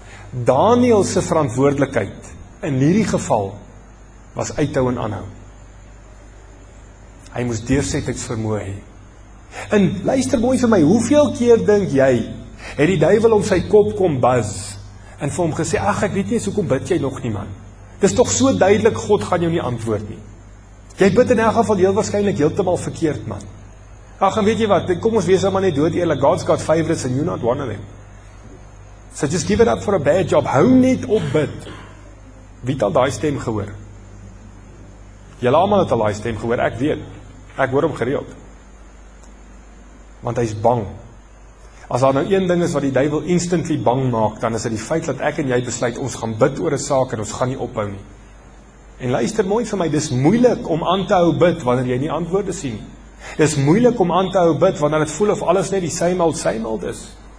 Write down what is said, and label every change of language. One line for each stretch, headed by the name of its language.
Afrikaans: Daniël se verantwoordelikheid in hierdie geval was uithou en aanhou. Hy moes deursettingsvermoë hê. En luister mooi vir my, hoeveel keer dink jy, het die duivel om sy kop kom buzz, en vir hom gesê, ach, ek weet nie, hoekom bid jy nog nie, man? Dis toch so duidelik, God gaan jou nie antwoord nie. Jy bid in elk geval heel waarschijnlijk heeltemal verkeerd, man. Ach, en weet jy wat, kom ons wees allemaal net dood eerlijk,
English: God's got favorites and you're not one of them. So just give it up for a bad job,
Afrikaans: hou net op bid. Wie het al die stem gehoor? Julle allemaal het al die stem gehoor, ek weet, ek hoor hom gereeld. Want hy is bang. As daar nou een ding is wat die duivel instantly bang maak, dan is dit die feit dat ek en jy besluit, ons gaan bid oor 'n saak en ons gaan nie ophou nie. En luister mooi vir my, dis moeilik om aan te hou bid wanneer jy nie antwoorde sien. Dis moeilik om aan te hou bid wanneer het voel of alles net die
English: same old
Afrikaans: is.